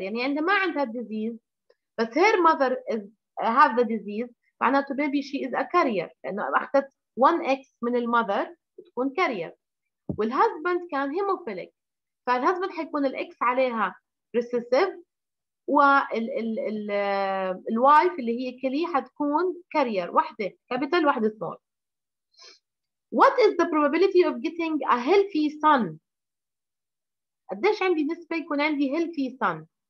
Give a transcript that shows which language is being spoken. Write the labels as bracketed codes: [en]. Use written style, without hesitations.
[ar] يعني عندها ما عندها [en] disease. بس her mother is have the disease, [ar] معناته [en] maybe she is a carrier, [ar] لأنه أخذت 1X من المذر تكون [en] carrier. [ar] والهزبند كان hemophilic, فالهزبند حيكون الX عليها recessive, والوايف اللي هي كلي حتكون carrier, واحدة, capital, واحدة small. [en] What is the probability of getting a healthy son? [ar] قديش عندي نسبة يكون عندي [en] healthy son?